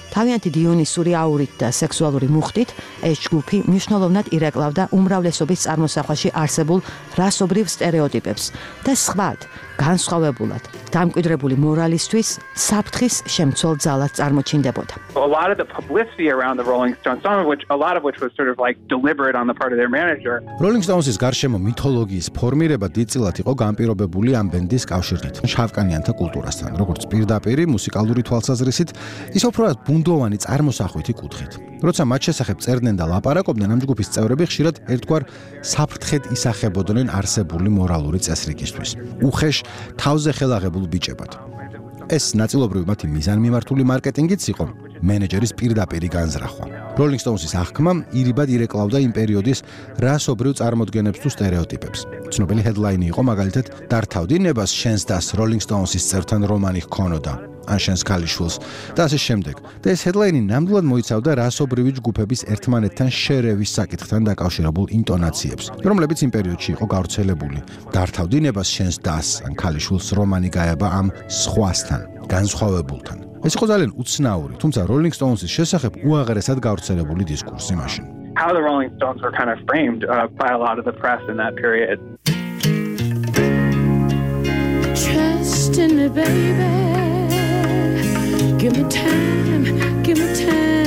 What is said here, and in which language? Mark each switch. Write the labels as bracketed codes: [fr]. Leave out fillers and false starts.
[ka] თავიანთი დიონისური აურით და სექსუალური მუხტით ეს ჯგუფი მნიშვნელოვნად ირეკლავდა უმრავლესობის წარმოსახვაში არსებულ რასობრივ სტერეოტიპებს და სხვათ, განსხვავებულად, დამკვიდრებული მორალისთვის საფრთხის შემცველ ძალად წარმოჩინდებოდა. [en] A lot of the publicity around the Rolling Stones, a lot of which was sort of like deliberate on the part of their manager. [ka] Rolling Stones-ის გარშემო მითოლოგიის ფორმირება დიდწილად იყო განპირობებული ამ ბენდის კავშირით შავკანიანთა კულტურასთან, როგორც პირდაპირი მუსიკალური თვალსაზრისით, ის უფრო ბუნდოვანი წარმოსახვითი კუთხით. როცა მათ შესახებ წერდნენ და ლაპარაკობდნენ, ამ ჯგუფის წევრები ხშირად ერთგვარ საფრთხედ ისახებოდნენ არსებული მორალური წესრიგისთვის, უხეშ თავზე ხელაღებულ ბიჭებად. ეს ნაწილობრივ მათი მიზანმიმართული მარკეტინგიც იყო, მენეჯერის პირდაპირი განზრახვა. Rolling Stones-ის აღქმა ირიბად ირეკლავდა იმ პერიოდის რასობრივ წარმოდგენებს თუ სტერეოტიპებს. ცნობილი ჰედლაინი იყო მაგალითად: დართავდი ნებას შენს დას Rolling Stones-ის წევრთან რომანი ჰქონოდა ან შენს ქალიშვილს და ასე შემდეგ. და ეს ჰედლაინი ნამდვილად მოიცავდა რასობრივი ჯგუფების ერთმანეთთან შერევის საკითხთან დაკავშირებულ ინტონაციებს, რომლებიც იმ პერიოდში იყო გავრცელებული: დართავდი ნებას შენს დას ან ქალიშვილს რომანი გაება ამ სხვასთან, განსხვავებულთან. ეს იყო ძალიან უცნაური, თუმცა Rolling Stones-ის შესახებ უაღრესად გავრცელებული დისკურსი მაშინ. [en] How the Rolling Stones were kind of framed by a lot of the press in that period. Trust in me, baby. Give me time, give me time.